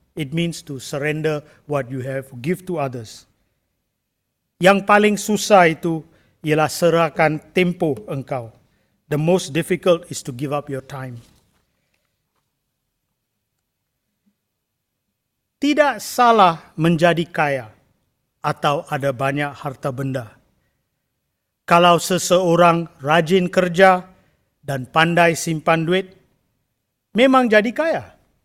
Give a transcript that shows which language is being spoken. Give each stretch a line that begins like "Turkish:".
English: It means to surrender what you have, give to others.
Malay: Yang paling susah itu ialah serahkan tempo engkau.
English: The most difficult is to give up your time.
Malay: Tidak salah menjadi kaya atau ada banyak harta benda. Kalau seseorang rajin kerja dan pandai simpan duit, memang jadi kaya.